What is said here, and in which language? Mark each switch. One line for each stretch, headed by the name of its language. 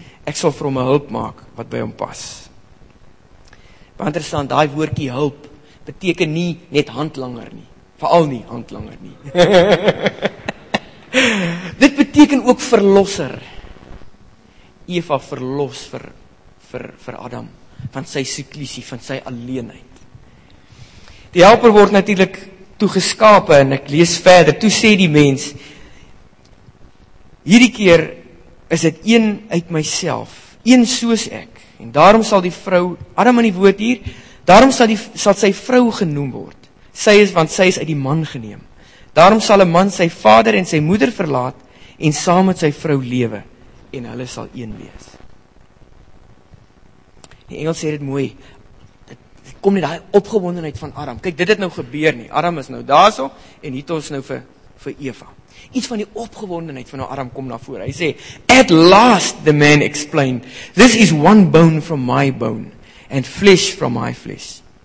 Afrikaans: Ek sal vir hom 'n hulp maak wat by hom pas. Baie interessant, daai woordjie hulp beteken nie net handlanger nie. Vooral nie handlanger nie. Dit beteken ook verlosser. Eva verlos vir Adam van sy seklusie, van sy alleenheid. Die helper word natuurlik toegeskape en ek lees verder. Toe sê die mens, hierdie keer is het een uit myself, een soos ek. En daarom sal die vrou, Adam in die woord hier, daarom sal sy vrou genoem word. Sy is, want sy is uit die man geneem. Daarom sal 'n man sy vader en sy moeder verlaat en saam met sy vrou lewe en hulle sal een wees. Die Engels sê dit mooi, dit kom nie die opgewondenheid van Adam. Kyk, dit het nou gebeur nie. Adam is nou daar so en hier ons nou vir Eva. Iets van die opgewondenheid van Adam kom na voor. Hy sê,
English: at last the man explained, this is one bone from my bone and flesh from my flesh.